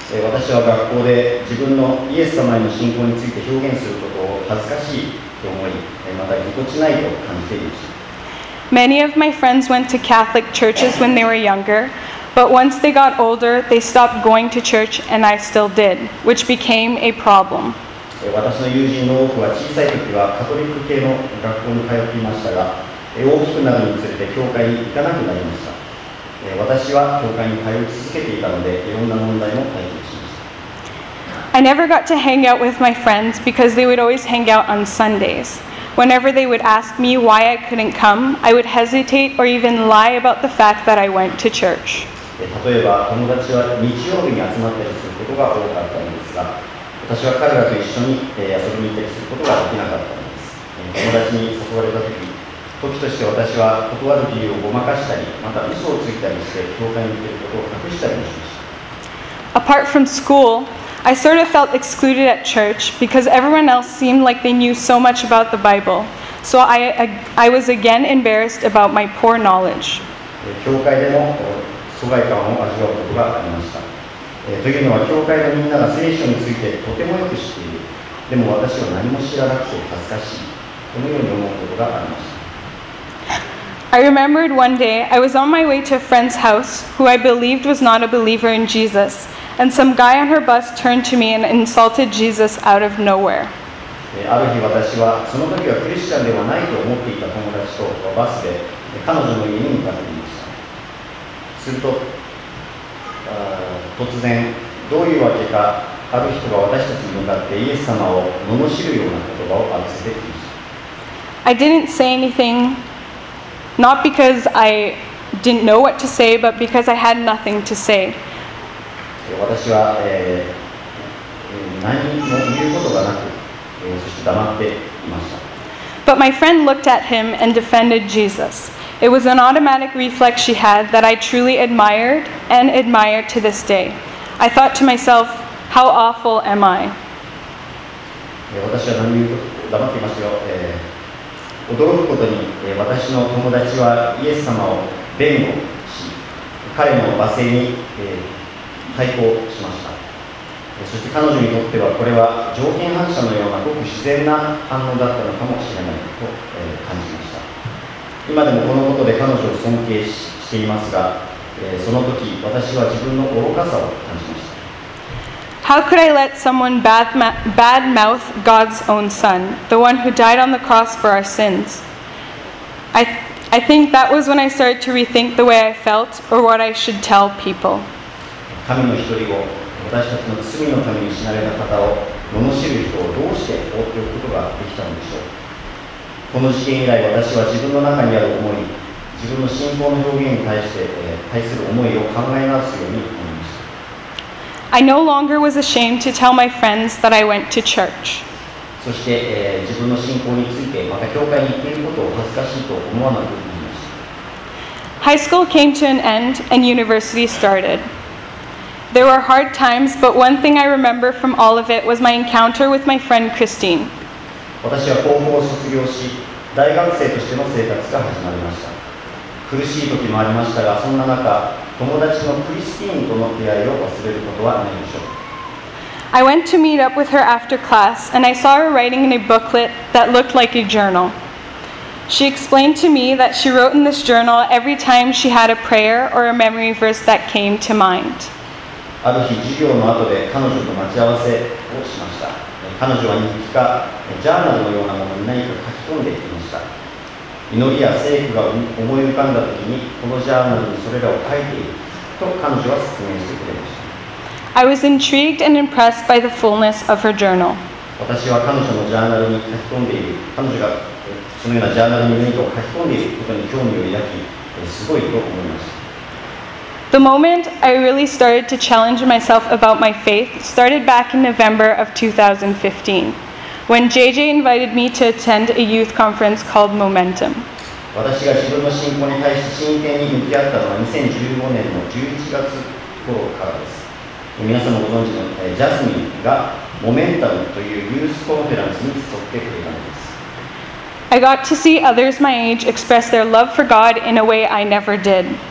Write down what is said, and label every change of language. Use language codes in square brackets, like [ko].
[ja] 私は学校で自分のイエス様への信仰について表現することを恥ずかしいと思い、またぎこちないと感じていました。 [en] Many of my friends went to Catholic churches when they were younger, but once they got older, they stopped going to church, and I still did, which became a problem. [ja] 私の友人の多くは小さい時はカトリック系の学校に通っていましたが、大きくなるにつれて教会に行かなくなりました。私は教会に通い続けていたので、いろんな問題も解決しました。 [en] I never got to hang out with my friends because they would always hang out on Sundays. Whenever they would ask me why I couldn't come, I would hesitate or even lie about the fact that I went to church. [ja] 例えば、友達は日曜日に集まったりすることが多かったんですが、私は彼らと一緒に遊びに行ったりすることができなかったんです。友達に誘われた時、時として私は断る理由をごまかしたり、また嘘をついたりして教会に行っていることを隠したりもしました。 [en] Apart from school,I sort of felt excluded at church because everyone else seemed like they knew so much about the Bible. So I was again embarrassed about my poor knowledge. [ja] 教会でも疎外感を味わうことがありました。というのは教会のみんなが聖書についてとてもよく知っている。でも私は何も知らなくて恥ずかしい。このように思うことがありました。 [en] I remembered one day I was on my way to a friend's house who I believed was not a believer in Jesus. And some guy on her bus turned to me and insulted Jesus out of nowhere. [ja] ある日私はその時はクリスチャンではないと思っていた友達とバスで彼女の家に向かっていました。すると突然どういうわけかある人が私たちに向かってイエス様を罵るような言葉を浴びせてきました。 [en] I didn't say anything, not because I didn't know what to say, but because I had nothing to say. [ja] 私は、何も言うことがなく、そして黙っていました。 [en] But my friend looked at him and defended Jesus. It was an automatic reflex she had that I truly admired and admire to this day. I thought to myself, How awful am I? [ja] 私は何言うと黙っていましたよ、驚くことに、私の友達はイエス様を弁護し、彼の罵声に、対抗しました。そして彼女にとってはこれは条件反射のようなごく自然な反応だったのかもしれないと、感じました。今でもこのことで彼女を尊敬していますが、その時私は自分の愚かさを感じました。 [en] How could I let someone bad mouth God's own son, the one who died on the cross for our sins? I think that was when I started to rethink the way I felt or what I should tell people. [ja] 神の一人を私たちの罪のために死なれた方を罵る人をどうして放っておくことができたのでしょう。この事件以来私は自分の中にある思い、自分の信仰の表現に対する思いを考え直すように思いました。 [en] I no longer was ashamed to tell my friends that I went to church. [ja] そして、自分の信仰についてまた教会に行っていることを恥ずかしいと思わなくなりました。 [en] High school came to an end and university started. There were hard times, but one thing I remember from all of it was my encounter with my friend Christine. [ja] 私は高校を卒業し、大学生としての生活が始まりました。苦しい時もありましたが、そんな中、友達のクリスティーンとの出会いを忘れることはないでしょう。 [en] I went to meet up with her after class, and I saw her writing in a booklet that looked like a journal. She explained to me that she wrote in this journal every time she had a prayer or a memory verse that came to mind. [ja] ある日授業の後で彼女と待ち合わせをしました。彼女は日記かジャーナルのようなものに何か書き込んでいました。祈りや聖句が思い浮かんだ時にこのジャーナルにそれらを書いていると彼女は説明してくれました。 [en] I was intrigued and impressed by the fullness of her journal. [ja] 私は彼女のジャーナルに書き込んでいる彼女がそのようなジャーナルに何かを書き込んでいることに興味を抱きすごいと思いました。 [en] The moment I really started to challenge myself about my faith started back in November of 2015, when JJ invited me to attend a youth conference called Momentum. [ja] 私が自分の信仰に対して真剣に向き合ったのは2015年の11月頃からです。皆さんもご存知のジャスミンが Momentum というユースコンフェランスに誘ってくれたのです。 [en] I got to see others my age express their love for God in a way I never did.